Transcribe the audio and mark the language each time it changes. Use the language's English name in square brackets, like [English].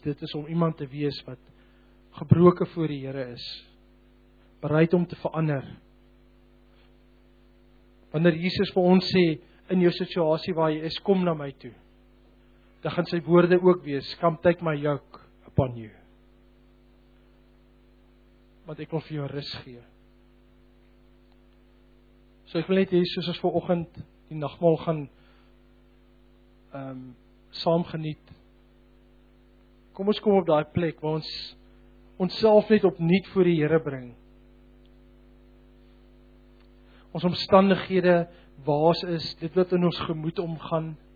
[Afrikaans] Dit is om iemand te wees wat gebroken voor die Here is. Bereid om te verander. Wanneer Jesus vir ons sê, in jou situasie waar jy is, kom na my toe. Dan gaan sy woorde ook wees, [English] come take my yoke upon you. [Afrikaans] Want ek wil vir jou rus gee. So ek wil net hê, soos ons vanoggend die nagmaal gaan saam geniet. Kom ons kom op daai plek waar ons onsself net opnuut voor die Here bring. Ons omstandighede waars is, dit wat in ons gemoed omgaan.